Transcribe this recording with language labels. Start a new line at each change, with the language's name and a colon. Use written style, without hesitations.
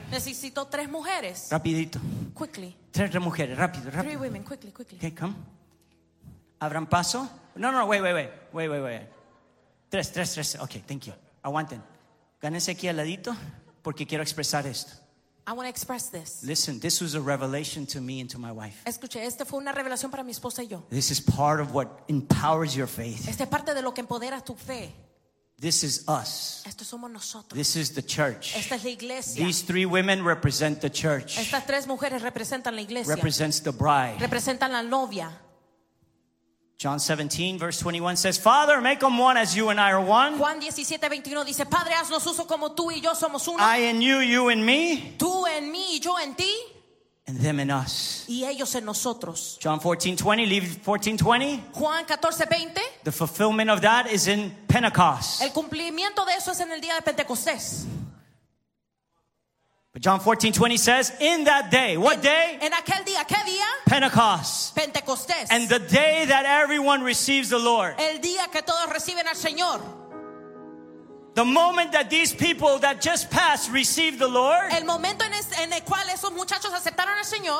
Spanish: Necesito tres mujeres. Rapidito.
English: Quickly.
Spanish: Tres mujeres, rápido, rápido.
English: Three women, quickly, quickly. Okay, come.
Spanish: Abran paso.
English: No, no, wait, wait, wait. Wait, wait, wait.
Spanish: Tres, tres, tres.
English: Okay, thank you.
Spanish: Aguanten. Gánense aquí al ladito porque quiero expresar esto.
English: I want to express this. Listen, this was a revelation to me and to my wife.
Spanish: Escuche, esta fue una revelación para mi esposa y yo.
English: This is part of what empowers your faith.
Spanish: Esta es parte de lo que empodera tu fe.
English: This is us.
Spanish: Esto somos nosotros.
English: This is the church.
Spanish: Esta es la iglesia.
English: These three women represent the church.
Spanish: Estas tres mujeres representan la iglesia.
English: Represents the bride.
Spanish: Representan la novia.
English: John 17, verse 21 says, Father, make them one as you and I are one.
Spanish: Juan 17:21 dice, Padre, haznos uno como tú y yo somos uno.
English: I in you, you in me.
Spanish: Tú en mí y yo en ti.
English: and them in us.
Spanish: Y ellos en nosotros.
English: John 14:20.
Spanish: Juan 14:20.
English: The fulfillment of that is in Pentecost.
Spanish: El cumplimiento de eso es en el día de Pentecostés.
English: But John 14:20 says, in that day, what day?
Spanish: En aquel día, ¿qué día?
English: Pentecost.
Spanish: Pentecostés.
English: And the day that everyone receives the Lord.
Spanish: El día que todos reciben al Señor.
English: The moment that these people that just passed received the Lord,
Spanish: el momento en el cual esos muchachos aceptaron al Señor,